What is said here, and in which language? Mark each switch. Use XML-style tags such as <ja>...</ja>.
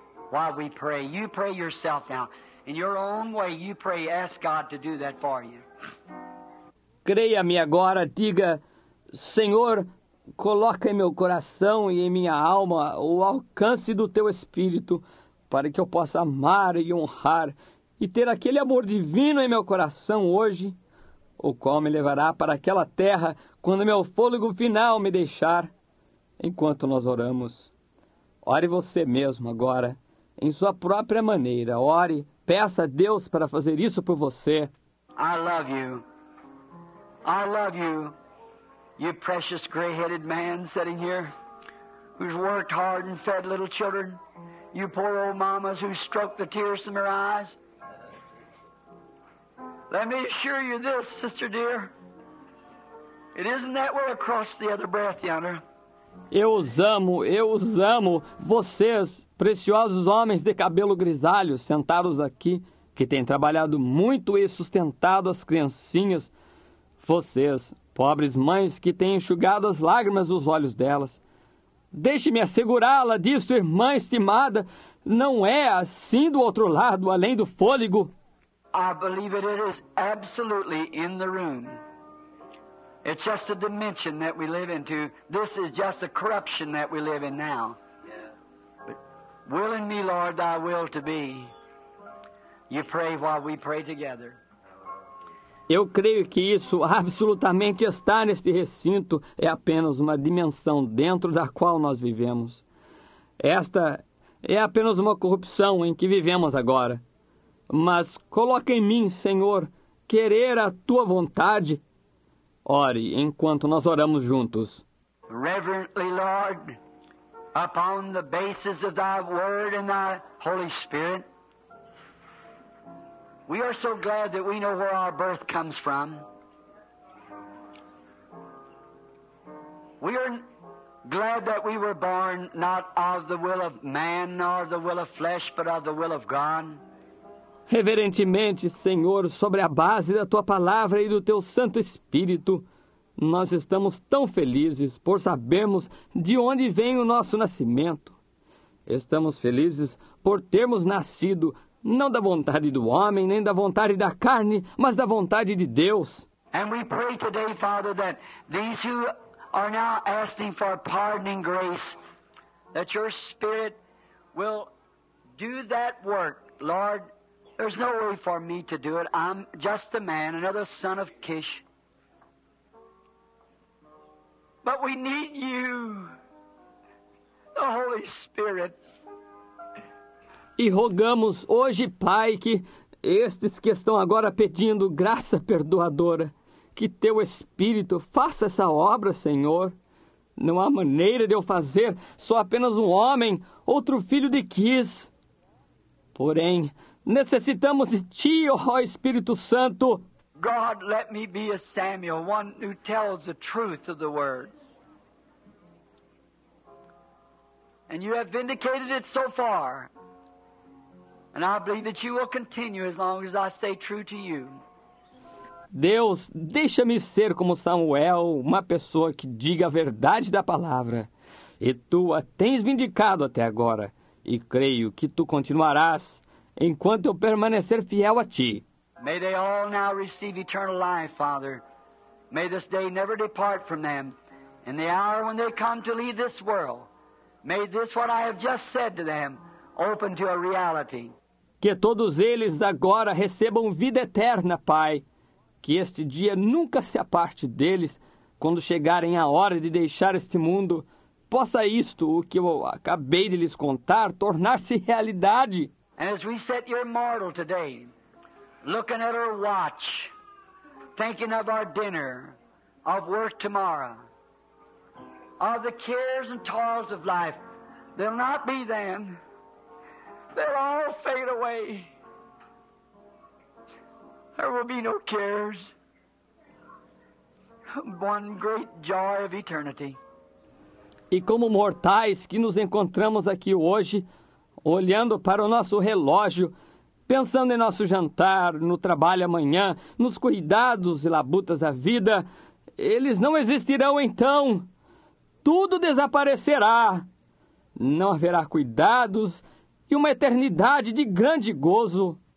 <en>While we pray, you pray yourself now. In your own way, you pray, ask God to do that for you.</en> <pt>Creia-me agora, diga, Senhor, coloca em meu coração e em minha alma o alcance do teu Espírito, para que eu possa amar e honrar e ter aquele amor divino em meu coração hoje, o qual me levará para aquela terra quando meu fôlego final me deixar, enquanto nós oramos. Ore você mesmo agora, em sua própria maneira. Ore, peça a Deus para fazer isso por você.</pt> <en>I love you. I love you. You precious gray-headed man sitting here, who's worked hard and fed little children. You poor old mamas who stroked the tears from their eyes. Let me assure you this, sister dear. It isn't that way across the other breath yonder.</en> <pt>Eu os amo, vocês, preciosos homens de cabelo grisalho, sentados aqui, que têm trabalhado muito e sustentado as criancinhas. Vocês, pobres mães que têm enxugado as lágrimas dos olhos delas. Deixe-me assegurá-la disso, irmã estimada. Não é assim do outro lado, além do fôlego.</pt> <en>I believe it is absolutely in the room. It's just a dimension that we live into. This is just a corruption that we live in now. Yeah. But will in me, Lord, thy will to be. You pray while we pray together.</en> <pt>Eu creio que isso absolutamente está neste recinto. É apenas uma dimensão dentro da qual nós vivemos. Esta é apenas uma corrupção em que vivemos agora. Mas coloque em mim, Senhor, querer a Tua vontade. Ore enquanto nós oramos juntos.</pt> <en>Reverently, Lord, upon the basis of Thy Word and Thy Holy Spirit, we are so glad that we know where our birth comes from. We are glad that we were born not of the will of man nor the will of flesh, but of the will of God.</en> <pt>Reverentemente, Senhor, sobre a base da Tua Palavra e do Teu Santo Espírito, nós estamos tão felizes por sabermos de onde vem o nosso nascimento. Estamos felizes por termos nascido não da vontade do homem, nem da vontade da carne, mas da vontade de Deus. E nós oramos hoje, Father, que aqueles que agora estão pedindo perdão e graça, que o Teu Espírito vai fazer esse trabalho, Lord.</pt> <en>There's no way for me to do it. I'm just a man, another son of Kish. But we need you, the Holy Spirit.</en> <pt>E rogamos hoje, Pai, que estes que estão agora pedindo graça perdoadora, que Teu Espírito faça essa obra, Senhor. Não há maneira de eu fazer, sou apenas um homem, outro filho de Kish. Porém, necessitamos de Ti, ó Espírito Santo.</pt> <en>God, let me be a Samuel, one who tells the truth of the word. And you have vindicated it so far. And I believe that you will continue as long as I stay true to you.</en> <pt>Deus, deixa-me ser como Samuel, uma pessoa que diga a verdade da palavra. E Tu a tens vindicado até agora. E creio que Tu continuarás enquanto eu permanecer fiel a Ti.</pt> <en>May they all now receive eternal life, Father. May this day never depart from them. In the hour when they come to leave this world, may this, what I have just said to them, open to a reality.</en> <pt>Que todos eles agora recebam vida eterna, Pai. Que este dia nunca se aparte deles, quando chegarem a hora de deixar este mundo, possa isto, o que eu acabei de lhes contar, tornar-se realidade.</pt> <en>And as we sit here mortal today, looking at our watch, thinking of our dinner, of work tomorrow, of the cares and toils of life, they'll not be then. They'll all fade away. There will be no cares. One great joy of eternity.</en> <pt>E como mortais que nos encontramos aqui hoje, olhando para o nosso relógio, pensando em nosso jantar, no trabalho amanhã, nos cuidados e labutas da vida, eles não existirão então. Tudo desaparecerá. Não haverá cuidados e uma eternidade de grande gozo.</pt>